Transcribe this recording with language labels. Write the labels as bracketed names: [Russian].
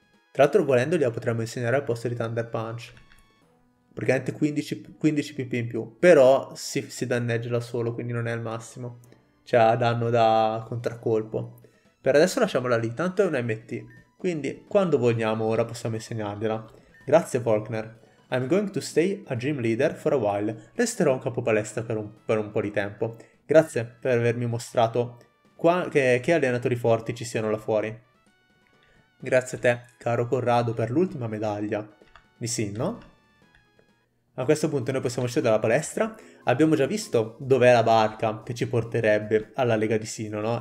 [Italian] Tra l'altro volendo gliela potremmo insegnare al posto di Thunder Punch. Praticamente 15 PP in più. Però si danneggia da solo, quindi non è al massimo. Cioè ha danno da contraccolpo. Per adesso lasciamola lì, tanto è un MT, quindi quando vogliamo ora possiamo insegnargliela. Grazie Faulkner. [English] I'm going to stay a gym leader for a while. [Italian] Resterò un capo palestra per un po' di tempo. Grazie per avermi mostrato che allenatori forti ci siano là fuori. Grazie a te, caro Corrado, per l'ultima medaglia di Sinnoh. A questo punto noi possiamo uscire dalla palestra. Abbiamo già visto dov'è la barca che ci porterebbe alla Lega di Sinnoh, no?